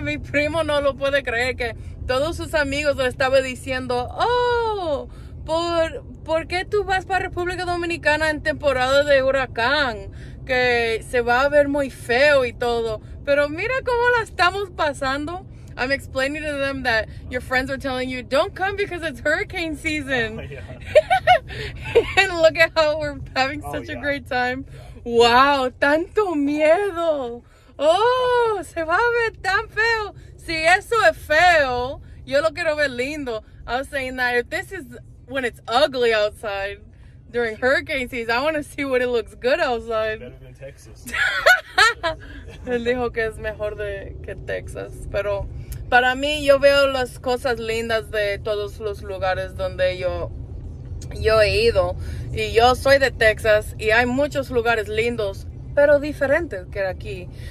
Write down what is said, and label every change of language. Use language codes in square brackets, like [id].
[es] Mi primo no lo puede creer, que todos sus amigos le estaban diciendo, oh, ¿por qué tú vas para República Dominicana en temporada de huracán? Que se va a ver muy feo y todo. Pero mira cómo la estamos pasando. [en] I'm explaining to them that your friends are telling you, don't come because it's hurricane season. And look at how we're having Oh, such a yeah. great time. Wow, tanto miedo. [es] Oh, se va a ver tan feo. Si eso es feo, yo lo quiero ver lindo. [en] I was saying that if this is when it's ugly outside during hurricane season, I want to see what it looks good outside. Better than Texas. [es] Él dijo que es mejor que Texas, pero para mí yo veo las cosas lindas de todos los lugares donde yo he ido. Y yo soy de Texas y hay muchos lugares lindos, pero diferentes que aquí.